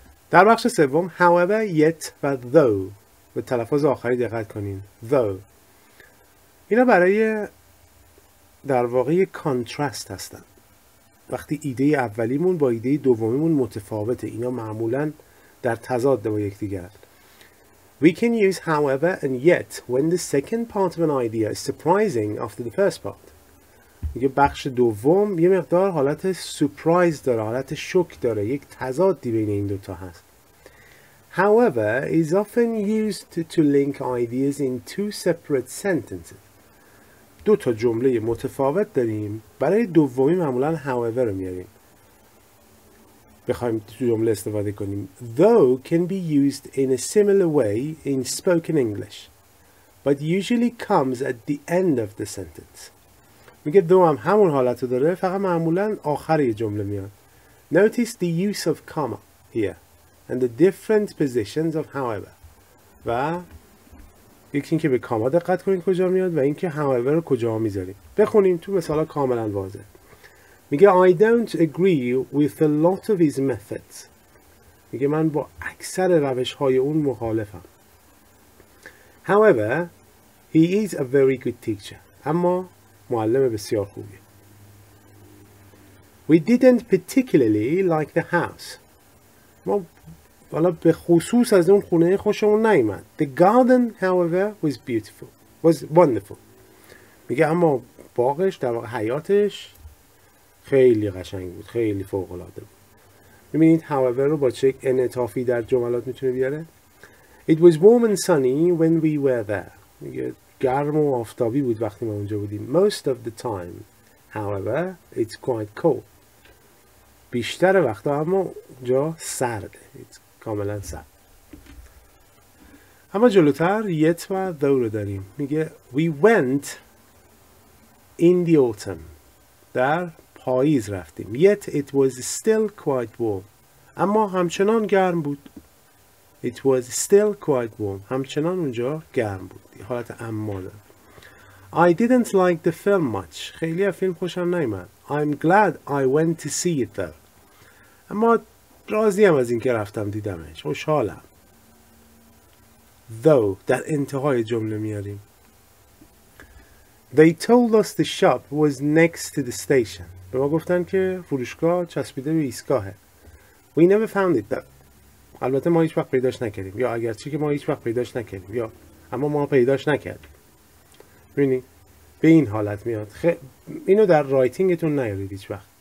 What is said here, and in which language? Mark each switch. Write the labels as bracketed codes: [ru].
[fa] در بخش سوم however yet و though به تلفظ آخری دقت کنین. though اینا برای در واقع کانترست هستن. وقتی ایده اولیمون با ایده دومیمون متفاوته، اینا معمولا در تضاد با یکدیگر. [en] We can use however and yet when the second part of an idea is surprising after the first part. [fa] یه بخش دوم یه مقدار حالت سپرایز داره، حالت شوک داره، یک تضادی بین این دوتا هست. [en] However is often used to link ideas in two separate sentences. [fa] دو تا جمله متفاوت داریم، برای دومی معمولا however رو میاریم. بخوایم تو جمله استفاده کنیم. [en] Though can be used in a similar way in spoken English, but usually comes at the end of the sentence. [fa] میگه دو هم همون حالت رو داره، فقط معمولا آخر یه جمله میاد. [en] Notice the use of comma here and the different positions of however. [fa] و یکی اینکه به کاما دقت کنید کجا میاد و اینکه however رو کجا میذاریم. بخونیم تو مثالا کاملا واضح. میگه [en] I don't agree with a lot of his methods. [fa] میگه من با اکثر روش های اون مخالفم. [en] However, he is a very good teacher. [fa] اما معلم بسیار خوبیه. [en] We didn't particularly like the house. [fa] ما والا به خصوص از اون خونه خوشمون نیومد. [en] The garden, however, was beautiful. Was wonderful. [fa] میگه اما باغش، در واقع حیاتش خیلی قشنگ بود، خیلی فوق‌العاده بود. می‌بینید however رو با چه انعطافی در جملات می‌تونه بیاره؟ [en] It was warm and sunny when we were there. [fa] میگه گرم و آفتابی بود وقتی ما اونجا بودیم. [en] Most of the time, however, it's quite cold. [fa] بیشتر وقتا اما جا سرده. It's کاملا سرد. اما جلوتر yet و though رو داریم. میگه [en] we went in the autumn. [fa] در پاییز رفتیم. [en] Yet it was still quite warm. [fa] اما همچنان گرم بود. [en] It was still quite warm. [fa] همچنان اونجا گرم بود. حالت اما دارد. [en] I didn't like the film much. [fa] خیلی از فیلم خوشم نیمد. [en] I'm glad I went to see it though. [fa] اما راضیم از اینکه رفتم دیدمش. خوشحالم. Though در انتهای جمله میاریم. [en] They told us the shop was next to the station. [fa] به ما گفتن که فروشگاه چسبیده به ایستگاهه. [en] We never found it though. [fa] البته ما هیچ وقت پیداش نکردیم. یا اگرچه که ما هیچ وقت پیداش نکردیم. یا اما ما پیداش نکردیم. ببینی؟ به این حالت میاد. اینو در رایتینگتون نیارید هیچ وقت.